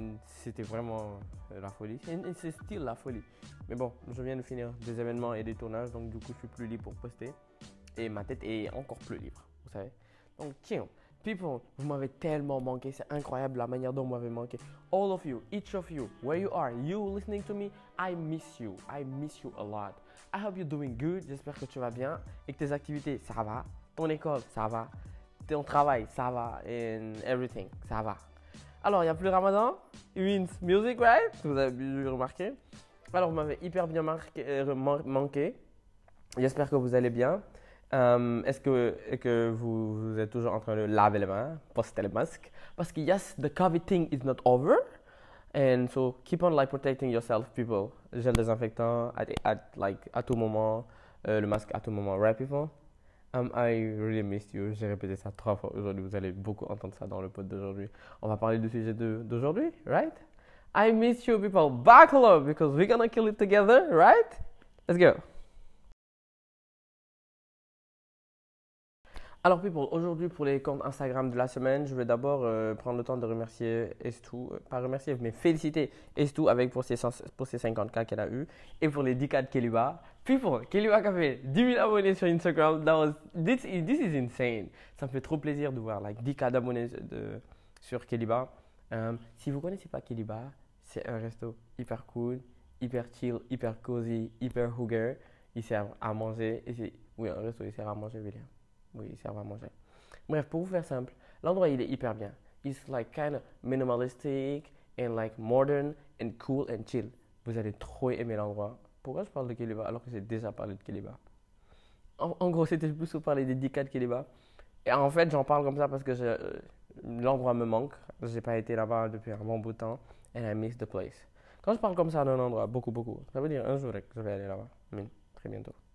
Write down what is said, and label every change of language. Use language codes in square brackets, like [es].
[fr] And c'était vraiment la folie. And c'est still la folie. Mais bon, je viens de finir des événements et des tournages. Donc, du coup, je suis plus libre pour poster. Et ma tête est encore plus libre, vous savez. Donc, tiens, people, vous m'avez tellement manqué. C'est incroyable la manière dont vous m'avez manqué. [en] All of you, each of you, where you are, you listening to me, I miss you. I miss you a lot. I hope you're doing good. [fr] J'espère que tu vas bien et que tes activités, ça va. Ton école, ça va. Ton travail, ça va. [en] And everything, [fr] ça va. Alors, il n'y a plus Ramadan. [en] It means music, right? [fr] Vous avez pu remarquer. Alors, vous m'avez hyper bien manqué. J'espère que vous allez bien. Est-ce que vous êtes toujours en train de laver les mains, poster le masque? Parce que, [en] yes, the COVID thing is not over. And so, keep on, like, protecting yourself, people. [fr] Gel désinfectant, à tout moment. Le masque, à tout moment. Right, people? [en] I really missed you. [fr] J'ai répété ça 3 fois aujourd'hui. Vous allez beaucoup entendre ça dans le pod d'aujourd'hui. On va parler du sujet d'aujourd'hui, right? [en] I miss you, people. Buckle up, because we're gonna kill it together, right? Let's go. [fr] Alors, people, aujourd'hui, pour les comptes Instagram de la semaine, je vais d'abord prendre le temps de remercier Estou, pas remercier, mais féliciter Estou avec pour ses 50K qu'elle a eu et pour les 10K de Keliwa. People, Keliwa Café, 10 000 abonnés sur Instagram. [en] This is insane. [fr] Ça me fait trop plaisir de voir like, 10K d'abonnés sur Keliwa. Si vous ne connaissez pas Keliwa, c'est un resto hyper cool, hyper chill, hyper cozy, hyper hooger. Il sert à manger. Oui, un resto, il sert à manger, William. Oui, ils servent à manger. Bref, pour vous faire simple, l'endroit il est hyper bien. [en] It's like kind of minimalistic and like modern and cool and chill. [fr] Vous allez trop aimer l'endroit. Pourquoi je parle de Keliba alors que j'ai déjà parlé de Keliba? En gros, c'était plus pour parler des 10K de Keliba. Et en fait, j'en parle comme ça parce que l'endroit me manque. J'ai pas été là-bas depuis un bon bout de temps. [en] And I miss the place. [fr] Quand je parle comme ça d'un endroit, beaucoup, beaucoup, ça veut dire un jour que je vais aller là-bas. Très bientôt.